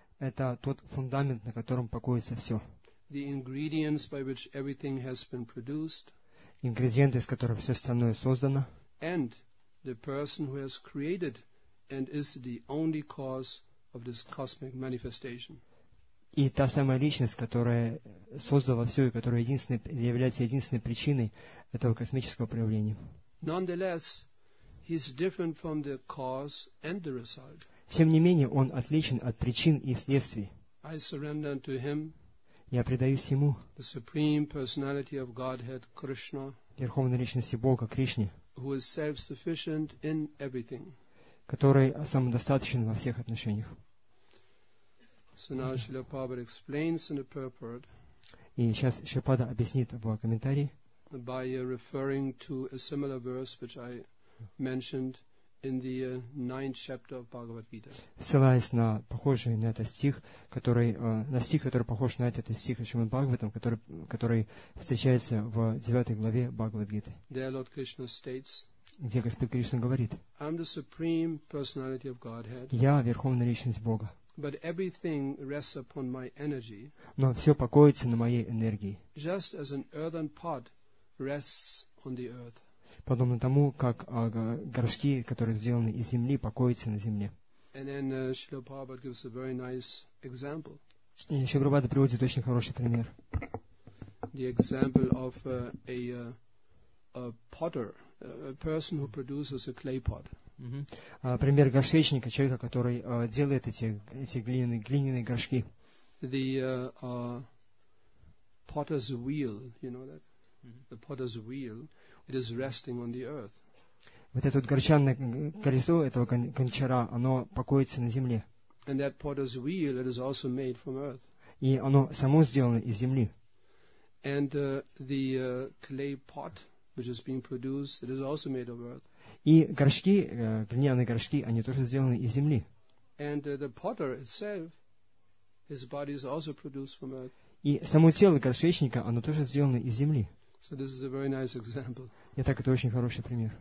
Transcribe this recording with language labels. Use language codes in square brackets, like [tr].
[ru] Это тот фундамент, на котором покоится все. [en] The ingredients by which everything has been produced. [ru] Ингредиенты, из которых все остальное создано. [en] And the person who has created and is the only cause of this cosmic manifestation. [ru] И та самая личность, которая создала все и которая является единственной причиной этого космического проявления. [en] Nonetheless, he's different from the cause and the result. [ru] Тем не менее, он отличен от причин и следствий. [en] I surrender to him. [ru] Я предаюсь ему. [en] The supreme personality of Godhead, Krishna. [ru] Верховной личности Бога, Кришне. [en] Who is self-sufficient in everything. [ru] Который самодостаточен во всех отношениях. [en] So now Srila Prabhupada explains in the purport. [ru] И сейчас Шрипада объяснит в комментарии. [en] By referring to a similar verse which I mentioned in the ninth chapter of Bhagavad Gita. [ru] Ссылаясь на похожий на этот стих, который на стих, который похож на этот стих о Шримад Бхагаватам, который встречается в девятой главе Бхагавад Гиты. [en] There Lord Krishna states. [ru] Где Господь Кришна говорит. [en] I'm the supreme personality of Godhead. [ru] Я верховная личность Бога. [en] But everything rests upon my energy. [ru] Но все покоится на моей энергии. [en] Just as an earthen pot rests on the earth. [ru] Подобно тому, как горшки, которые сделаны из земли, покоятся на земле. [en] And then Srila Prabhupada gives a very nice example. [ru] И Srila Prabhupada приводит очень хороший пример. [en] The example of a potter, a person who produces a clay pot. [ru] Пример горшечника, человека, который делает эти глиняные горшки. [en] The potter's wheel, you know that? The potter's wheel, it is resting on the earth. [ru] Вот это вот горчанное колесо этого гончара, оно покоится на земле. [en] And that potter's wheel, it is also made from earth. [ru] И оно само сделано из земли. [en] And the clay pot, which is being produced, it is also made of earth. [ru] И горшки, глиняные горшки, они тоже сделаны из земли. [en] And the potter itself, his body is also produced from earth. [ru] И само тело горшечника, оно тоже сделано из земли. [en] So this is a very nice example. [ru] Итак, это очень хороший пример.